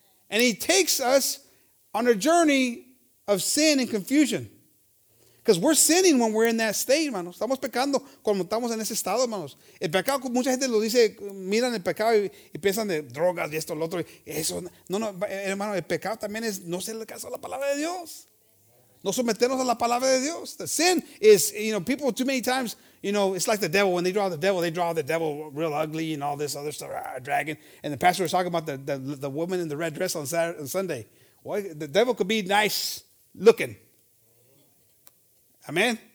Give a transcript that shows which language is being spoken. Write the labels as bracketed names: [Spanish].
[English] And he takes us on a journey of sin and confusion. Because we're sinning when we're in that state, hermanos. [Spanish] Estamos pecando cuando estamos en ese estado, hermanos. El pecado, mucha gente lo dice, miran el pecado y piensan de drogas y esto, lo otro. Eso, no, hermano, el pecado también es no ser el caso de la palabra de Dios. No someternos a la palabra de Dios. [English] The sin is, you know, people too many times, you know, it's like the devil. When they draw the devil real ugly and all this other stuff, dragon. And the pastor was talking about the woman in the red dress on Saturday and Sunday. Well, the devil could be nice looking. Amen.